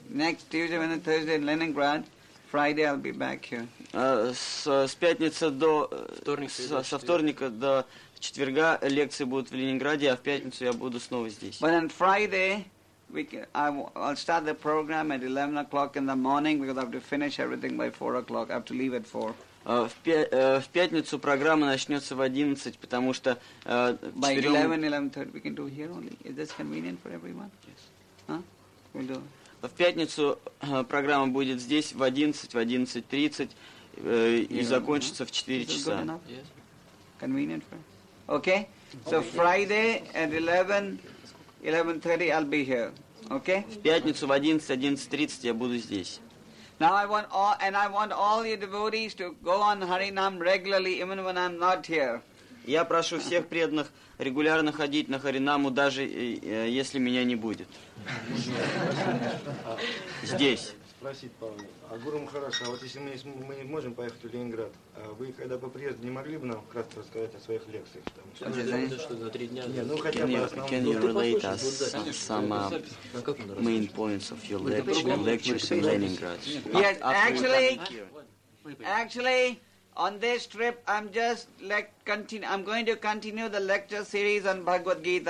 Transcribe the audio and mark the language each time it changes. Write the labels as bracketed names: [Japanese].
[English] Next Tuesday, Wednesday, Thursday in Leningrad, Friday I'll be back here. [Russian] С пятницы до... Со вторника до четверга лекции будут в Ленинграде, а в пятницу я буду снова здесь. [English] But on Friday, I'll start the program at 11 o'clock in the morning, because I have to finish everything by 4 o'clock. I have to leave at 4. [Russian] В пятницу программа начнется в 11, потому что... [English] By 11:30 we can do here only. Is this convenient for everyone? Yes. Huh? We'll do. [Russian] В пятницу программа будет здесь в 11, в 11:30 и закончится в 4 часа. [English] Is this good enough? Yes. Convenient for... Okay. So Friday at 11:30 I'll be here. Okay? [Russian] В пятницу в 11:30 я буду здесь. [English] Now I want all, and I want all your devotees to go on Harinam regularly, even when I'm not here. [Russian] Я прошу всех преданных регулярно ходить на Харинаму, даже если меня не будет. Здесь. Спросить, Павел, а Гуру Махарадж, а вот если мы не можем поехать в Ленинград, а вы когда по приезду не могли бы нам кратко рассказать о своих лекциях? [English] Can you relate us some main points of your lectures in Leningrad? Yes, actually, on this trip, I'm going to continue the lecture series on Bhagavad Gita.